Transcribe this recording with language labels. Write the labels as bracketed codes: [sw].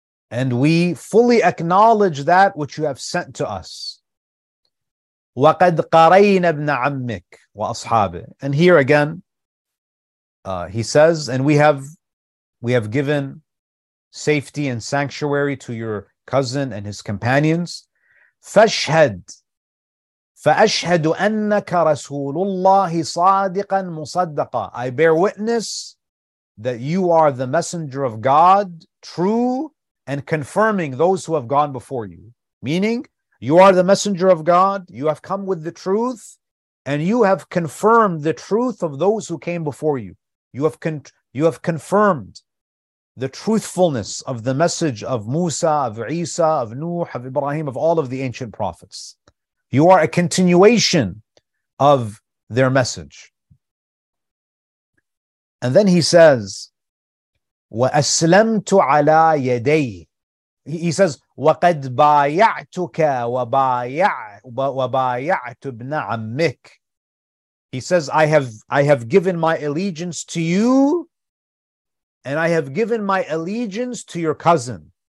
[en] And we fully acknowledge that which you have sent to us. [ar] وَقَدْ قَرَيْنَا ابْنَ عَمِّكَ وَأَصْحَابِهِ [en] And here again, he says, and we have given safety and sanctuary to your cousin and his companions. [ar] فَاشْهَدْ فأشهد أنك رسول الله صادقا مصدقا. [en] I bear witness that you are the messenger of God, true and confirming those who have gone before you. Meaning, you are the messenger of God, you have come with the truth, and you have confirmed the truth of those who came before you. You have confirmed the truthfulness of the message of Musa, of Isa, of Nuh, of Ibrahim, of all of the ancient prophets. You are a continuation of their message. And then he says, [ar] وَأَسْلَمْتُ عَلَىٰ يَدَيْهِ. He says, وَقَدْ بَايَعْتُكَ وَبَايَعْتُ بْنَ عَمِّكَ. [en] He says, I have given my allegiance to you, and I have given my allegiance to your cousin.